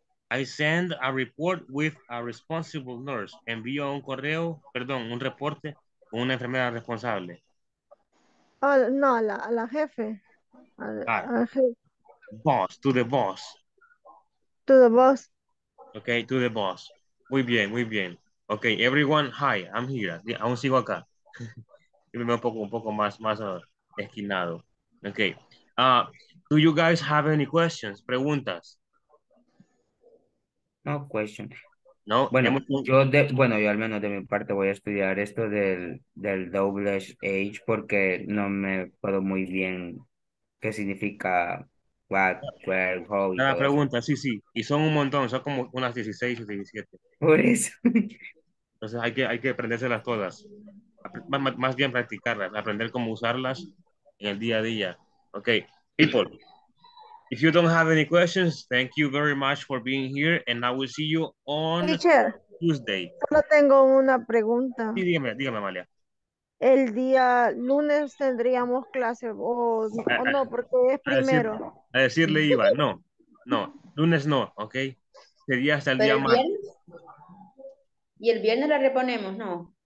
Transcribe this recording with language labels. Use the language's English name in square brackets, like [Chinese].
[English] I send a report with a responsible nurse. [Spanish] Envío un correo, perdón, un reporte con una enfermera responsable. A la jefe. [English] Boss, to the boss. To the boss. Okay, to the boss. [Spanish] Muy bien, muy bien. [English] Okay, everyone, hi, I'm here. [Spanish] Aún sigo acá. Y me veo un poco más esquinado. Okay. [English] Do you guys have any questions? Preguntas. No question. [Spanish] No, bueno, yo de, bueno, yo al menos de mi parte voy a estudiar esto del double H porque no me puedo muy bien qué significa what, where, how. La pregunta, eso. Sí, y son un montón, son como unas 16 o 17. Por eso. Entonces hay que aprendérselas todas. Más bien practicarlas, aprender cómo usarlas en el día a día. [English] Okay, people. If you don't have any questions, thank you very much for being here, and I will see you on teacher, Tuesday. [Spanish] Solo tengo una pregunta. Sí, dígame, Amalia. El día lunes tendríamos clase, o no, porque es primero. A decirle, Iván, no, lunes no, ok. Sería hasta el día martes. ¿Y el viernes la reponemos, no?